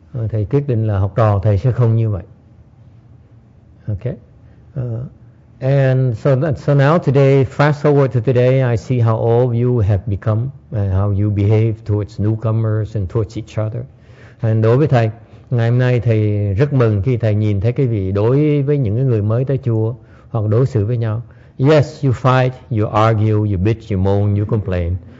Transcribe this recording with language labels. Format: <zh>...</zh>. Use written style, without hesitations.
<vi>Thầy quyết định là học trò thầy sẽ không như vậy.</vi> <en>Okay. And so now today, fast forward to today, I see how old you have become and how you behave towards newcomers and towards each other.</en> <vi>And đối với thầy, ngày hôm nay thầy rất mừng khi thầy nhìn thấy cái vị đối với những người mới tới chùa hoặc đối xử với nhau.</vi> <en>Yes, you fight, you argue, you bitch, you moan, you complain.</en>